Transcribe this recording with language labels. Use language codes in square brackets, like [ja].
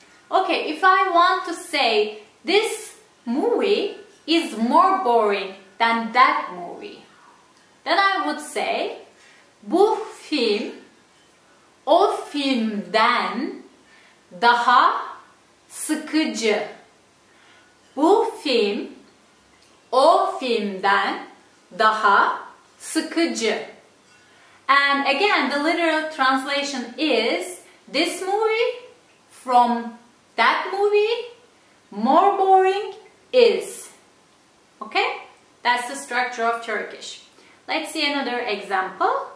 [en] Okay, if I want to say this movie is more boring than that movie, then I would say [tr] bu film o filmden daha sıkıcı. Bu film o filmden daha sıkıcı. [en] And again, the literal translation is this movie from that movie more boring is. Okay? That's the structure of Turkish. Let's see another example.